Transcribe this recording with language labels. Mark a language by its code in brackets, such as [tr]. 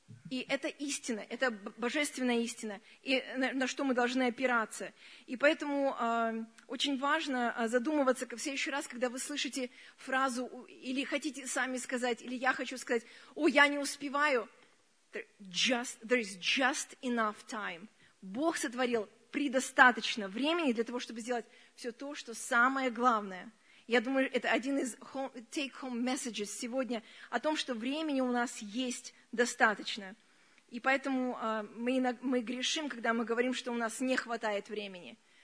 [ru] И это истина, это божественная истина, и на что мы должны опираться. И поэтому очень важно задумываться в следующий раз, когда вы слышите фразу, или хотите сами сказать, или я хочу сказать, о, я не успеваю. [en] There is just enough time. [ru] Бог сотворил предостаточно времени для того, чтобы сделать все то, что самое главное. Я думаю, это один из [en] take-home messages [ru] сегодня о том, что времени у нас есть достаточно. И поэтому мы грешим, когда мы говорим, что у нас не хватает времени.